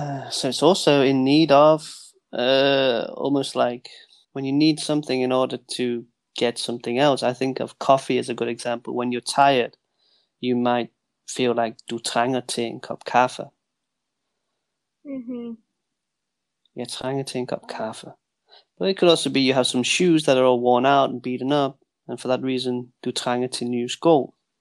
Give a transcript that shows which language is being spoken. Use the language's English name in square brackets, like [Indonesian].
[English] So it's also in need of, almost like... When you need something in order to get something else, I think of coffee as a good example. When you're tired, you might feel like [Danish] du trænger til en kop kaffe. Mm-hmm. Jeg trænger til en kop kaffe. [English] But it could also be you have some shoes that are all worn out and beaten up, and for that reason, [Danish] du trænger til nye sko.